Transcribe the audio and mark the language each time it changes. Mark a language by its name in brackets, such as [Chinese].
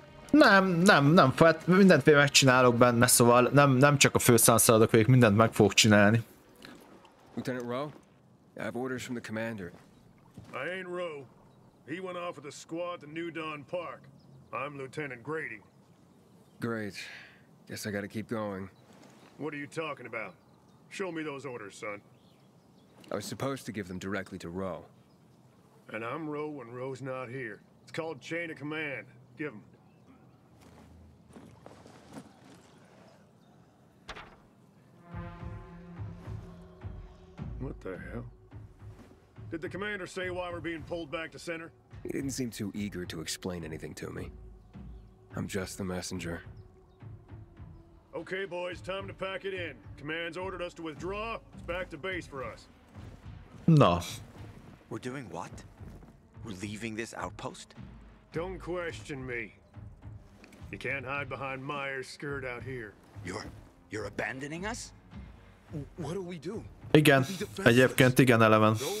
[Hungarian] Nem, hát mindent megcsinálok benne, szóval nem csak a főszánszaladok végig, mindent meg fogok csinálni. [English] Lieutenant Rowe, I have orders from the commander. I ain't Rowe. He went off with the squad to New Dawn Park. I'm Lieutenant Grady. Great. Guess I gotta keep going. What are you talking about? Show me those orders, son. I was supposed to give them directly to Rowe. And I'm Rowe when Rowe's not here. It's called chain of command. Give them. What the hell? Did the commander say why we're being pulled back to center? He didn't seem too eager to explain anything to me. I'm just the messenger. Okay, boys, time to pack it in. Command's ordered us to withdraw. It's back to base for us. No. We're doing what? We're leaving this outpost? Don't question me. You can't hide behind Meyer's skirt out here. You're abandoning us? What do we do? [Hungarian] Igen, egyébként igen, Eleven.